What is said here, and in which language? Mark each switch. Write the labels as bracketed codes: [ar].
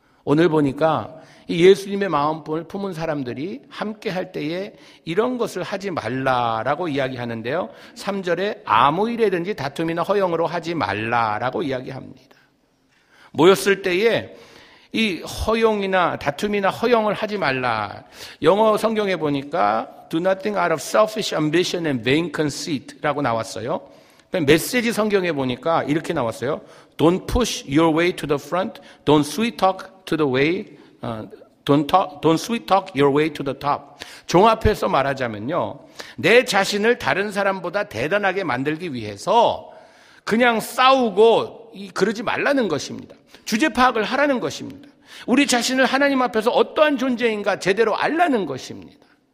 [ko] 오늘 보니까 예수님의 마음을 품은 사람들이 함께 할 때에 이런 것을 하지 말라라고 이야기하는데요. 3절에 아무 일이든지 다툼이나 허영으로 하지 말라라고 이야기합니다. 모였을 때에 이 허영이나 다툼이나 허영을 하지 말라. 영어 성경에 보니까 [en] Do nothing out of selfish ambition and vain conceit [ko] 라고 나왔어요. 메시지 성경에 보니까 이렇게 나왔어요. [en] Don't push your way to the front. Don't sweet talk to the way. Don't sweet talk your way to the top. [ko] 종합해서 말하자면요, 내 자신을 다른 사람보다 대단하게 만들기 위해서 그냥 싸우고 그러지 말라는 것입니다. 주제 파악을 하라는 것입니다. 우리 자신을 하나님 앞에서 어떠한 존재인가 제대로 알라는 것입니다.